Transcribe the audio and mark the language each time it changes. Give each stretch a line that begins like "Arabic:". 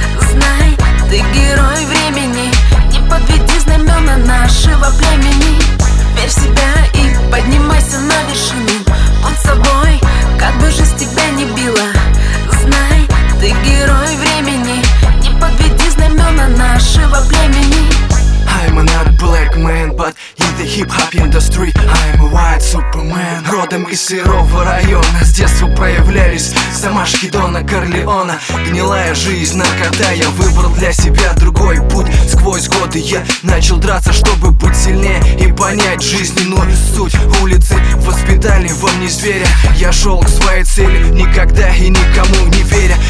Russian: Знай, ты герой времени. Не подведи знамена нашего племени. Верь в себя и поднимайся на вершину. Под собой, как бы жизнь тебя не била. Знай, ты герой времени. Не подведи знамена нашего племени.
English: I'm not black man, but in the hip-hop industry I'm a white superman.
Russian: Родом из сырого района, с детства проявлялись замашки Дона Корлеона. Гнилая жизнь, наркота, я выбрал для себя другой путь. Сквозь годы я начал драться, чтобы быть сильнее и понять жизненную суть. Улицы воспитали во мне зверя. Я шел к своей цели, никогда и никому не веря.